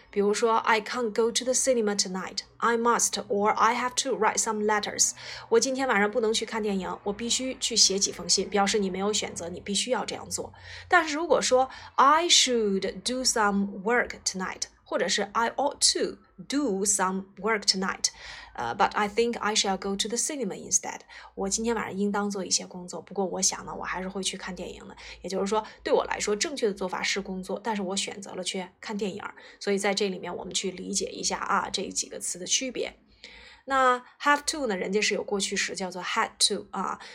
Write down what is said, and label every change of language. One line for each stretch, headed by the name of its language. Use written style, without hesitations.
Chinese: 比如说
English: I can't go to the cinema tonight. I must or I have to write some letters.
Chinese: 我今天晚上不能去看电影，我必须去写几封信，表示你没有选择，你必须要这样做。但是如果说
English: I should do some work tonight,
Chinese: 或者是
English: I ought to do some work tonight,but I think I shall go to the cinema instead.
Chinese: 我今天晚上应当做一些工作，不过我想呢，我还是会去看电影的。也就是说，对我来说，正确的做法是工作，但是我选择了去看电影。所以在这里面，我们去理解一下啊，这几个词的区别。那
English: have to
Chinese: 呢，人家是有过去时，叫做
English: had to
Chinese: 啊。